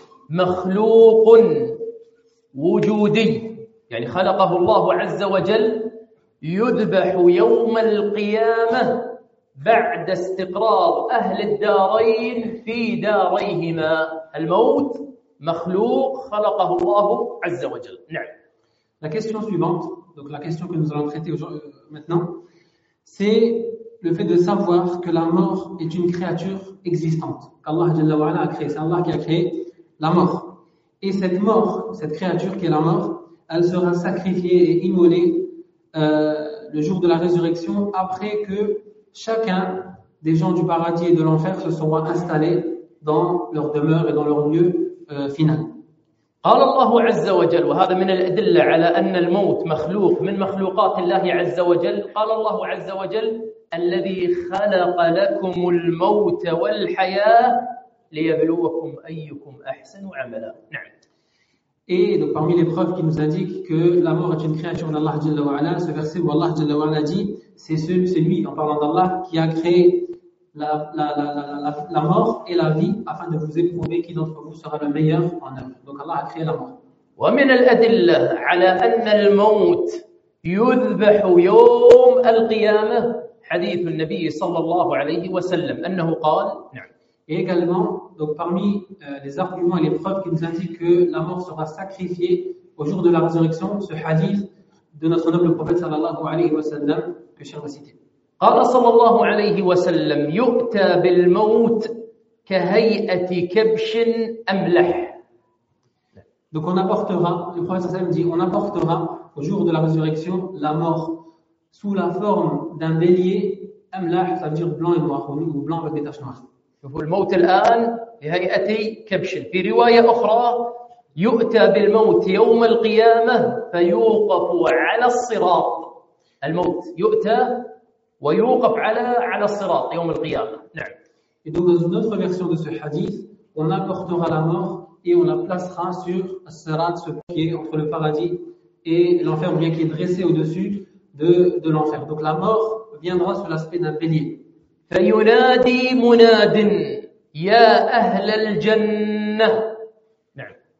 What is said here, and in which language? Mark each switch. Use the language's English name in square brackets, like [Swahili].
[Arabic] مخلوق وجودي يعني خلقه الله عز وجل يذبح يوم القيامة بعد استقرار أهل الدارين في داريهما الموت مخلوق خلقه الله عز وجل. نعم. [French] La question suivante, donc la question que nous allons traiter maintenant, c'est le fait de savoir que la mort est une créature existante qu'Allah [Arabic] جل وعلا [French] a créée. C'est Allah qui a créé la mort. Et cette mort, cette créature qui est la mort, elle sera sacrifiée et immolée le jour de la résurrection après que chacun des gens du paradis et de l'enfer se sera installé dans leur demeure et dans leur lieu final. [Arabic] قال الله عز وجل وهذا من الأدلة على أن الموت مخلوق من مخلوقات الله عز وجل. قال الله عز وجل الذي خلق لكم الموت والحياة ليبلوكم أيكم أحسن عملا. نعم. [French] Et donc parmi les preuves qui nous indiquent que la mort est une créature d'Allah Jalla wa'ala, ce verset où Allah Jalla wa'ala dit, c'est lui, en parlant d'Allah, qui a créé la mort et la vie afin de vous éprouver qui d'entre vous sera le meilleur en œuvre. Donc Allah a créé la mort. [Arabic] ومن الأدلة على أن الموت يذبح يوم القيامة حديث النبي صلى الله عليه وسلم أنه قال. نعم. [French] Et également, donc parmi les arguments et les preuves qui nous indiquent que la mort sera sacrifiée au jour de la résurrection, ce hadith de notre noble prophète sallallahu alayhi wa sallam que je vais citer. [Arabic] قال صلى الله عليه وسلم يؤتى بالموت كهيئة كبش أملح. [French] Donc on apportera, le prophète sallallahu alayhi wa sallam dit, on apportera au jour de la résurrection la mort sous la forme d'un bélier أملح, ça veut dire blanc et noir ou blanc avec des taches noires. [Arabic] الموت الآن لهيئتي كبش. في رواية أخرى يؤتى بالموت يوم القيامة فيوقف على الصراط. الموت يؤتى ويوقف على الصراط يوم القيامة. نعم. [French] Et donc dans une autre version de ce hadith, on apportera la mort et on la placera sur le sirat, ce qui est entre le paradis et l'enfer, ou bien qui est dressé au-dessus de l'enfer. Donc la mort viendra sous l'aspect d'un bélier. [Arabic] فَيُنَادِي مُنَادٍ يَا أَهْلَ الْجَنَّةِ. نعم.